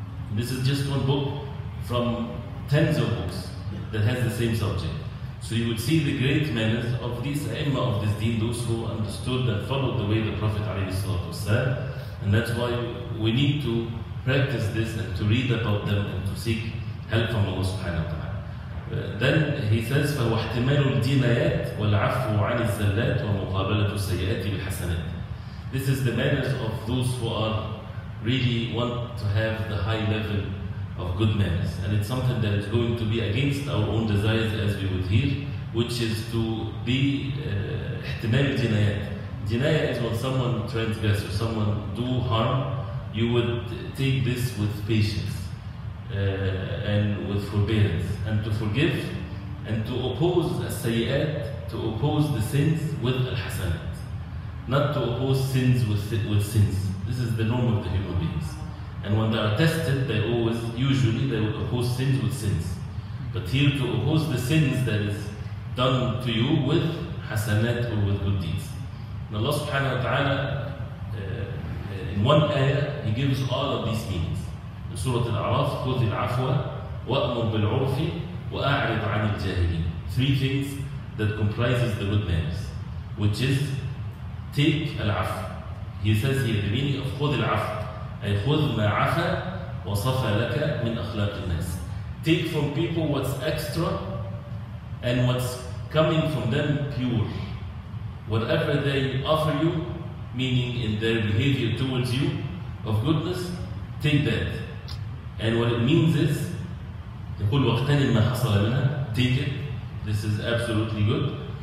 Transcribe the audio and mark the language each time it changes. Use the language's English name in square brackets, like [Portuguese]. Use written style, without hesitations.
[English] And this is just one book from tens of books that has the same subject. So you would see the great men of these imma of this deen, those who understood and followed the way the Prophet said. And that's why we need to practice this and to read about them and to seek help from Allah subhanahu wa ta'ala. Then he says, [Arabic] فَوَاحْتِمَالُ الْدِينَيَاتِ وَالْعَفْوُ عَنِ الزَّلَّاتِ وَمُقَابَلَةُ السَّيِّئَاتِ بِالْحَسَنَاتِ. [English] This is the manners of those who are really want to have the high level of good manners. And it's something that is going to be against our own desires, as we would hear, which is to be [Arabic] احْتِمَالُ الْدِينَيَاتِ. [English] Dinaya is when someone transgress or someone do harm, you would take this with patience and with forbearance, and to forgive and to oppose as-sayyi'at, to oppose the sins with al-hasanat, not to oppose sins with sins. This is the norm of the human beings, and when they are tested, they always, usually, they will oppose sins with sins. But here, to oppose the sins that is done to you with hasanat or with good deeds. And Allah subhanahu wa ta'ala, in one ayah, he gives all of these meanings. [Arabic] In Surah Al-A'raf, خذ العفو وأمر بالعرف وأعرض عن الجاهلين. [English] Three things that comprises the good manners, which is take al-afw. He says here the meaning of [Arabic] خذ العفو, أي خذ ما عفا وصفى لك من أخلاق الناس. [English] Take from people what's extra and what's coming from them pure. Whatever they offer you, meaning in their behavior towards you of goodness, take that. And what it means is, [Arabic] يقول واقتنم ما حصل منها, [English] take it, this is absolutely good.